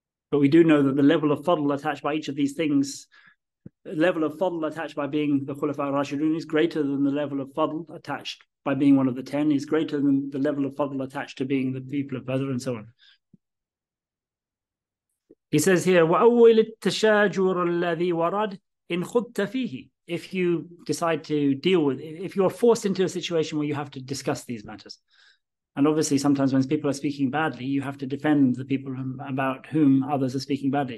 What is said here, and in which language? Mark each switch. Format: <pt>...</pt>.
<en>But we do know that the level of fadl attached by each of these things, the level of fadl attached by being the qualified Rashidun is greater than the level of fadl attached by being one of the ten, is greater than the level of fadl attached to being the people of Badr, and so on.</en> <ar>He says here, وَأَوِّلِ التَّشَاجُرُ الَّذِي وَرَدْ إِنْ خُدْتَ فِيهِ.</ar> <en>If you decide to deal with, if you're forced into a situation where you have to discuss these matters. And obviously sometimes when people are speaking badly, you have to defend the people about whom others are speaking badly.</en>